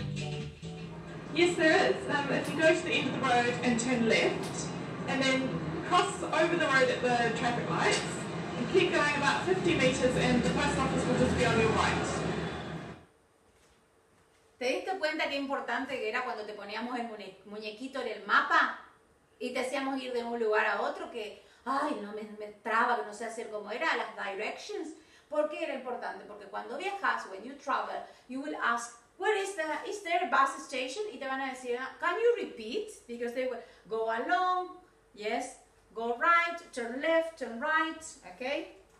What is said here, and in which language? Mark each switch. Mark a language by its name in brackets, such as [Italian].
[English] that you go to the end of the road and turn left, and then cross over the road at the traffic lights, and keep going about 50 metres, and the post office will just be on your right. [Spanish] ¿Te diste cuenta qué importante que era cuando te poníamos el muñequito en el mapa y te hacíamos ir de un lugar a otro que, ay, no me traba, que no sé hacer cómo era, las directions? ¿Por qué era importante? Porque cuando viajas, [English] when you travel, you will ask, where is the, is there a bus station? [Spanish] Y te van a decir, [English] can you repeat? Because they will go along, yes, go right, turn left, turn right, okay?